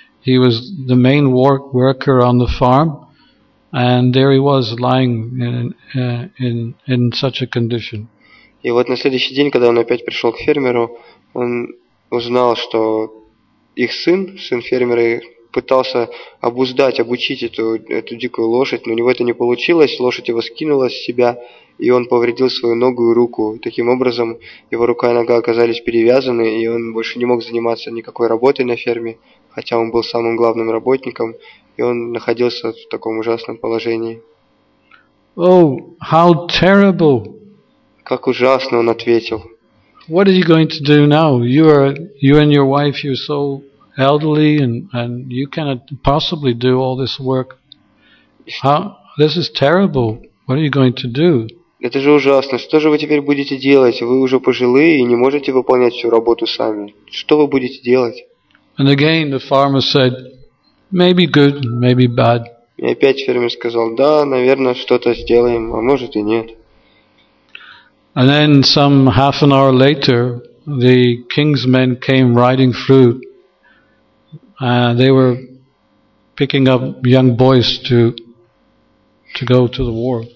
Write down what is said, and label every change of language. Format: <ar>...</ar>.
<en>He was the main worker on the farm, and there he was lying in such a condition.</en> <ru>И вот на следующий день, когда он опять пришел к фермеру, он узнал, что их сын фермера, пытался обуздать, обучить эту дикую лошадь, но у него это не получилось, лошадь его скинула с себя, и он повредил свою ногу и руку. Таким образом, его рука и нога оказались перевязаны, и он больше не мог заниматься никакой работой на ферме, хотя он был самым главным работником, и он находился в таком ужасном положении.</ru> <en>Oh, how terrible!</en> <ru>Как ужасно, он ответил.</ru> <en>What are you going to do now? You and your wife, you're so elderly, and you cannot possibly do all this work. How, this is terrible. What are you going to do?</en> <ru>Это же ужасно. Что же вы теперь будете делать? Вы уже пожилые и не можете выполнять всю работу сами. Что вы будете делать?</ru> <en>And again the farmer said, maybe good, maybe bad.</en> <ru>И опять фермер сказал, да, наверное, что-то сделаем, а может и нет.</ru> <en>And then some half an hour later, the king's men came riding through. They were picking up young boys to go to the war.</en>